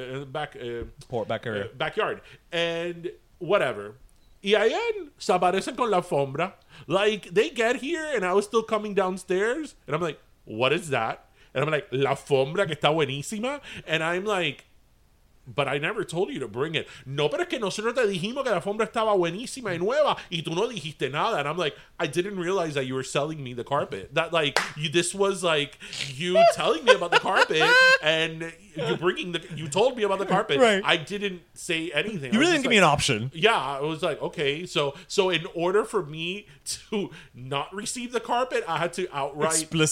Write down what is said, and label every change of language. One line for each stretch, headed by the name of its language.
English: Backyard. And whatever.
Spanish: Y allá se aparecen con la alfombra.
English: Like, they get here and I was still coming downstairs and I'm like, what is that? And I'm like,
Spanish: la alfombra que está buenísima.
English: And I'm like, but I never told you to bring it.
Spanish: No, pero es que nosotros te dijimos que la alfombra estaba buenísima y nueva. Y tú no dijiste nada.
English: And I'm like, I didn't realize that you were selling me the carpet. That, like, you, this was, like, you telling me about the carpet. And you bringing the, you told me about the carpet. Right. I didn't say anything. You really didn't give me an option. Yeah, I was like, okay. So in order for me to not receive the carpet, I had to outright.